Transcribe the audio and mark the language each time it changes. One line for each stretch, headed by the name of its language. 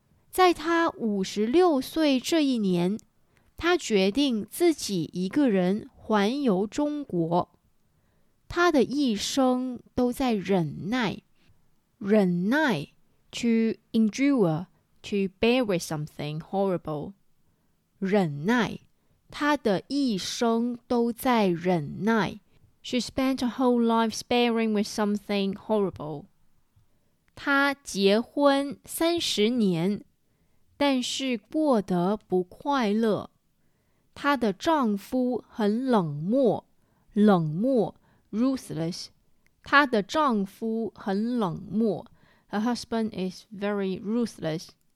Chinese: 在她56岁这一年，她决定自己一个人环游中国。她的一生都在忍耐，忍耐
English: to endure, to bear with something horrible.
Chinese: 忍耐，她的一生都在忍耐。
English: She spent a whole life bearing with something horrible.
Chinese: 她结婚30年，但是过得不快乐。她的丈夫很冷漠，冷漠 ,ruthless. 她的丈夫很冷漠
English: Her husband is very ruthless.